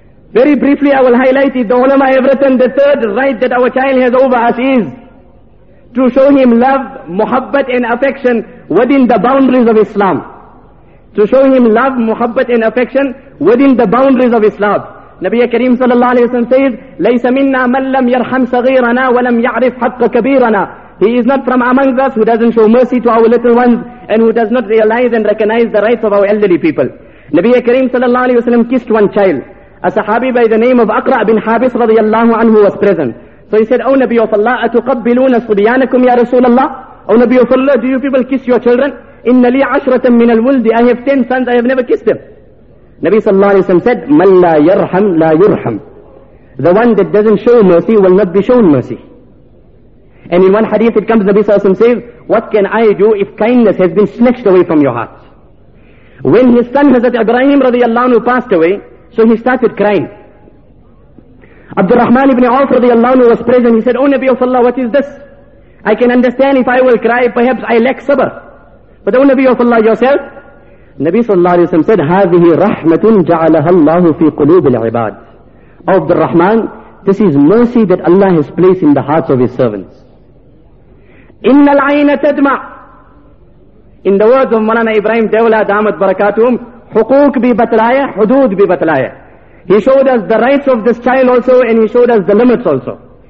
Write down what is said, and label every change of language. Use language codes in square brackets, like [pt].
[en] Very briefly I will highlight it. The ulama have written the third right that our child has over us is to show him love, muhabbat and affection within the boundaries of Islam. To show him love, muhabbat and affection within the boundaries of Islam. [ar] Nabi Kareem sallallahu alayhi wa sallam says, لَيْسَ مِنَّا مَنْ لَمْ يَرْحَمْ صَغِيرَنَا وَلَمْ يَعْرِفْ حَقَّ كَبِيرَنَا. [en] He is not from among us who doesn't show mercy to our little ones and who does not realize and recognize the rights of our elderly people. Nabi Kareem sallallahu alayhi wa sallam kissed one child. A sahabi by the name of Aqra bin Habis radiyallahu anhu was present. So he said, O Nabi of Allah, [ar] أَتُقَبِّلُونَ صُبِيَانَكُمْ يَا رَسُولَ اللَّهِ. [en] O Nabi of Allah, do you people kiss your children? [ar] إِنَّ لِي عَشْرَةً مِّنَ الْوُلْدِ. [en] I have 10 sons, I have never kissed them. Nabi sallallahu alayhi wa sallam said, [ar] مَنْ لَا يَرْحَمْ لَا يُرْحَمْ. [en] The one that doesn't show mercy will not be shown mercy. And in one hadith it comes, Nabi sallallahu alayhi wa sallam says, what can I do if kindness has been snatched away from your heart? When his son Hazrat Ibrahim radiyallahu anhu passed away, so he started crying. Abdul Rahman ibn Awf radiyallahu anhu was present. He said, O Nabi of Allah, what is this? I can understand if I will cry, perhaps I lack sabr. But O Nabi of Allah, yourself? [ar] Nabi sallallahu alayhi wa sallam said, هَذِهِ رَحْمَةٌ جَعَلَهَا اللَّهُ فِي قُلُوبِ الْعِبَادِ. [en] O Abdul Rahman, this is mercy that Allah has placed in the hearts of His servants. [ar] إِنَّ الْعَيْنَ تَدْمَعْ. [en] In the words of Malana Ibrahim Dawla Damat Barakatum, [ur] حُقُوك بِبَتْلَايَ حُدُود بِبَتْلَايَ. [en] He showed us the rights of this child also and he showed us the limits also.